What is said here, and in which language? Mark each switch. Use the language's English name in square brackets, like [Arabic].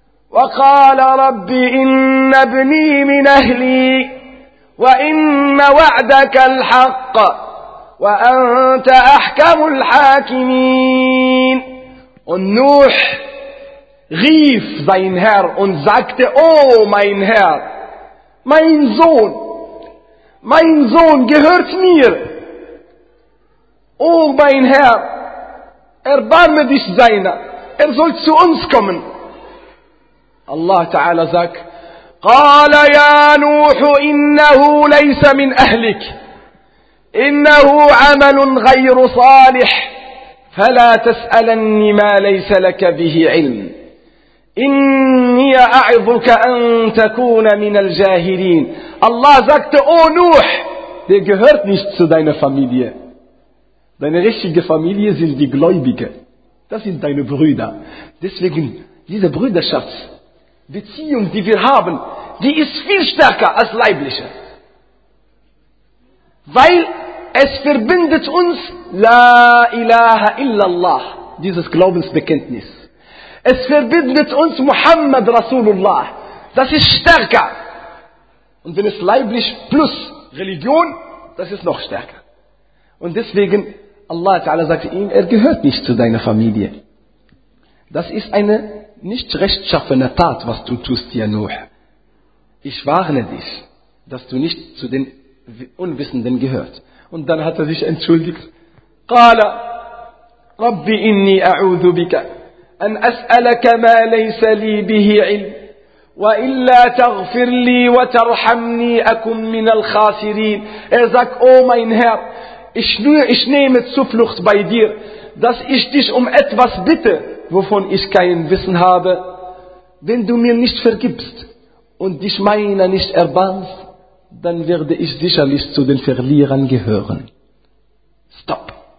[Arabic] وَقَالَ رَبِّ إِنَّ ابْنِي مِنْ أَهْلِي وَإِنَّ وَعْدَكَ الْحَقَّ وَأَنْتَ أَحْكَمُ الْحَاكِمِينَ [German] Und Nuh rief sein Herr und sagte, oh mein Herr, mein Sohn gehört mir. Oh mein Herr, erbarme dich seiner, er soll zu uns kommen. Allah Ta'ala sagt, [Arabic] قَالَ يَا نُوحُ إِنَّهُ لَيْسَ مِنْ أَهْلِكَ إنه عمل غير صالح فلا تسألني ما ليس لك به علم إني أعظك أن تكون من الجاهلين الله [German] sagte, oh Nuh, der gehört nicht zu deiner Familie. Deine richtige Familie sind die Gläubige. Das sind deine Brüder. Deswegen, diese Brüderschaft, Beziehung, die wir haben, die ist viel stärker als leibliche. Weil es verbindet uns La ilaha illallah, dieses Glaubensbekenntnis. Es verbindet uns Muhammad Rasulullah. Das ist stärker. Und wenn es leiblich plus Religion, das ist noch stärker. Und deswegen, Allah Ta'ala sagt ihm, er gehört nicht zu deiner Familie. Das ist eine nicht rechtschaffene Tat, was du tust, ja Nuh. Ich warne dich, dass du nicht zu den Unwissenden gehört. Und dann hat er sich entschuldigt. [Arabic] قال ربي إني أعوذ بك أن أسألك ما ليس لي به علم وإلا تغفر لي وترحمني أكن من الخاسرين. [German] Er sagt, oh mein Herr, ich nehme Zuflucht bei dir, dass ich dich um etwas bitte, wovon ich kein Wissen habe, wenn du mir nicht vergibst und dich meiner nicht erbarmst, dann werde ich sicherlich zu den Verlierern gehören. Stop.